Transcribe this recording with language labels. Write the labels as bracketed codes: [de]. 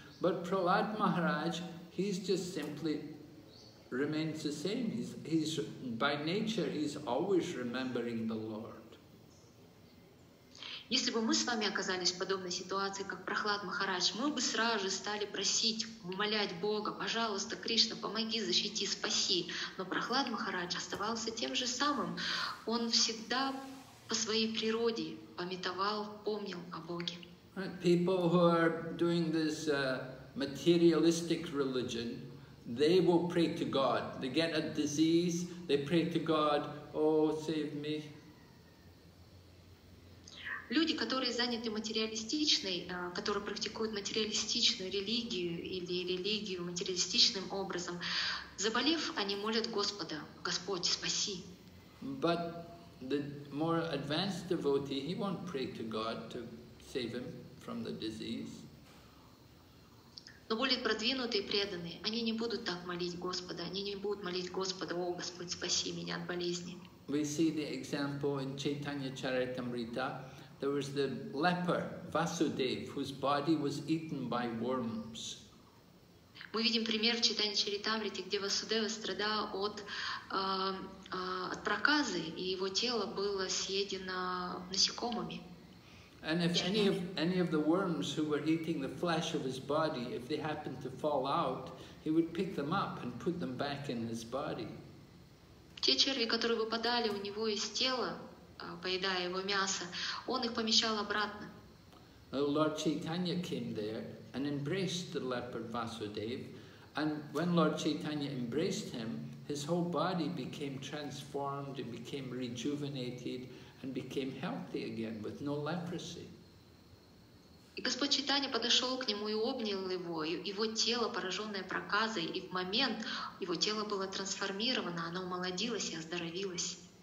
[en] But Prahlad Maharaj, he's just simply remains the same. He's by nature, he's always remembering the Lord. [ru] Если бы мы с вами оказались в подобной ситуации, как Прахлад Махарадж, мы бы сразу же стали просить, умолять Бога, пожалуйста, Кришна, помоги, защити, спаси. Но Прахлад Махарадж оставался тем же самым. Он всегда по своей природе памятовал, помнил о Боге. [en] People who are doing this materialistic religion, they will pray to God. They get a disease, they pray to God, oh, save me. [ru] Люди, которые заняты материалистичной, которые практикуют материалистичную религию или религию материалистичным образом, заболев, они молят Господа, Господь, спаси. [en] But the more advanced devotee, he won't pray to God to save him from the disease. [ru] Но более продвинутые преданные, они не будут так молить Господа, они не будут молить Господа: «О Господь, спаси меня от болезни». [en] We see the example in Chaitanya Charitamrita. There was the leper Vasudev, whose body was eaten by worms. [ru] Мы видим пример в Чайтанье Чаритамрите, где Васудева страдал от от проказы, и его тело было съедено насекомыми. [en] And if any of the worms who were eating the flesh of his body, if they happened to fall out, he would pick them up and put them back in his body. [ru] Те черви, которые выпадали у него из тела, поедая его мясо, он их помещал обратно. [en] Lord Chaitanya came there and embraced the leper Vasudev, and when Lord Chaitanya embraced him, his whole body became transformed and became rejuvenated and became healthy again with no leprosy. [ru] И Господь Чайтанья подошел к нему и обнял его, и его тело, пораженное проказой, и в момент его тело было трансформировано, оно умолодилось и оздоровилось.